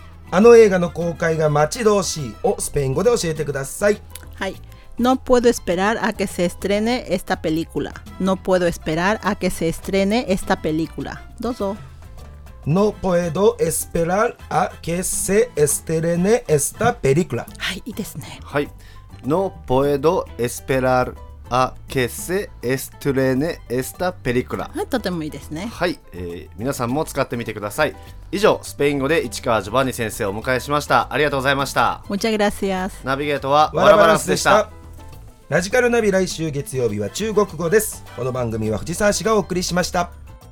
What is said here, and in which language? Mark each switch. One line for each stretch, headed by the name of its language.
Japanese: あの映画の公開が待ち遠しいをスペイン語で教えてください。
Spanish: はい、 No puedo esperar a que se estrene esta película. No puedo esperar a que se estrene esta película.
Japanese: どうぞ。
Spanish: No puedo esperar a que se estrene esta película.
Japanese: はい、いいですね。はい。
Spanish: No puedo esperar a que se estrene esta película.
Japanese: はい、とてもいいですね。はい、皆さんも使ってみてください。以上、スペイン語で市川ジョバンニ先生をお迎えしました。ありがとうございました。
Spanish: Muchas gracias.
Japanese: ナビゲートはワラバランスでした。ラジカルナビ、来週月曜日は中国語です。この番組は藤沢氏がお送りしました。